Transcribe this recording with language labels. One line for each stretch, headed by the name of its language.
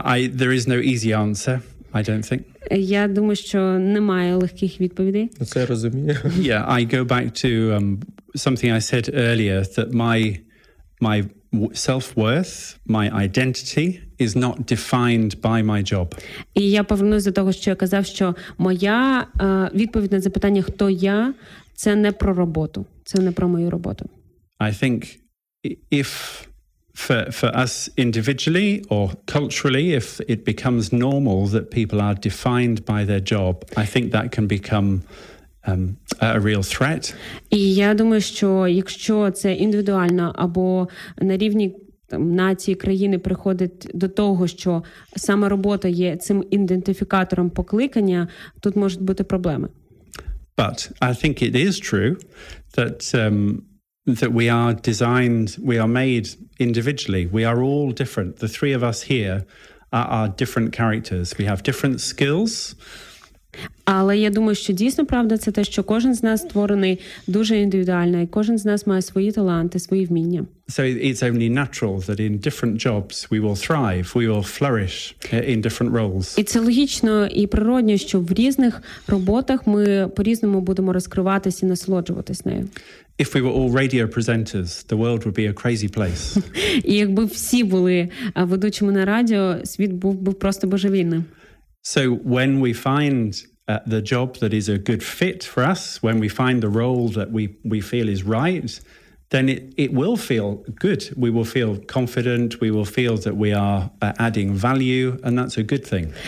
English: There is no easy answer, I don't think.
Ukrainian: Я думаю, що немає легких відповідей. Це я розумію.
English: Yeah, I go back to something I said earlier, that my self-worth, my identity is not defined by my job.
Ukrainian: І я повернусь до того, що я казав, що моя відповідь на запитання, хто я, це не про роботу, це не про мою роботу.
English: I think if for us individually or culturally, if it becomes normal that people are defined by their job, I think that can become a real threat.
Ukrainian: І я думаю, що якщо це індивідуально або на рівні нації, країни приходить до того, що саме робота є цим ідентифікатором покликання, тут можуть бути проблеми.
English: But I think it is true that that we are designed, we are made individually. We are all different. The three of us here are different characters. We have different skills.
Ukrainian: Але я думаю, що дійсно правда це те, що кожен з нас створений дуже індивідуально, і кожен з нас має свої таланти, свої вміння.
English: So it's only natural that in different jobs we will thrive, we will flourish in different roles.
Ukrainian: І це логічно і природно, що в різних роботах ми по-різному будемо розкриватися і насолоджуватись нею.
English: If we were all radio presenters, the world would be a crazy place.
Ukrainian: І якби всі були ведучими на радіо, світ був би просто божевільним.
English: So when we find the job that is a good fit for us, when we find the role that we feel is right, then it will feel good. We will feel confident, we will feel that we are adding value, and that's a good thing.